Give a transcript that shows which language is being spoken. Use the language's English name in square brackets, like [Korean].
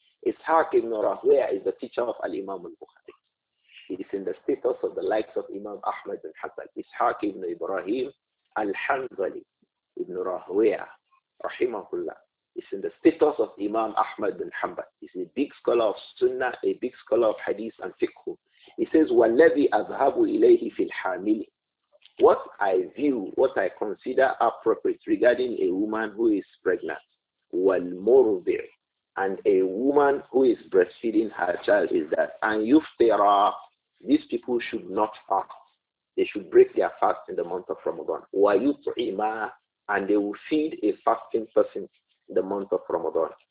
[English] Ishaq ibn Rahwah is the teacher of al-Imam al-Bukhari. He is in the status of the likes of Imam Ahmad ibn Hanbal. Ishaq ibn Ibrahim, al-Hanbali ibn Rahwah, rahimahullah. It's in the status of Imam Ahmad bin Hanbal. He's a big scholar of Sunnah, a big scholar of Hadith and Fiqh. He says, [Arabic] وَالَّذِي أَذْهَبُ إِلَيْهِ فِي الْحَامِلِ. [English] What I view, what I consider appropriate regarding a woman who is pregnant, [Arabic] وَالْمُرْضِعِ, [English] and a woman who is breastfeeding her child, is that, and [Arabic] يُفْتِرَى, [English] these people should not fast. They should break their fast in the month of Ramadan. [Arabic] وَيُطْعِمَى, [English] and they will feed a fasting person the month of Ramadan.